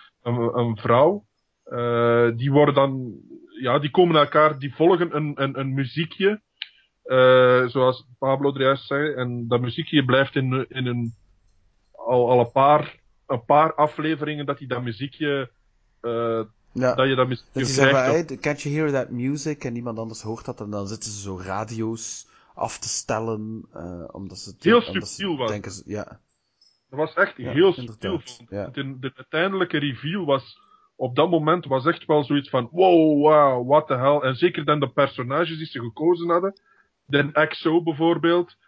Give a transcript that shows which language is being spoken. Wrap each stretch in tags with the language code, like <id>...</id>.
<nl>een vrouw, die worden dan, ja, die komen elkaar, die volgen een muziekje, zoals Pablo Dreyfus zei, en dat muziekje blijft in een al een paar afleveringen dat hij dat muziekje ja. Dat je dat muziekje dat zegt,</nl> <en>hey, can't you hear that music?</en> <nl>En iemand anders hoort dat en dan zitten ze zo radio's af te stellen omdat ze het heel subtiel was. Denken ze, ja. Dat was echt ja, heel subtiel. Ja. De uiteindelijke reveal was op dat moment was echt wel zoiets van</nl> <en>wow, wow, what the hell.</en> <nl>En zeker dan de personages die ze gekozen hadden. De XO bijvoorbeeld.</nl>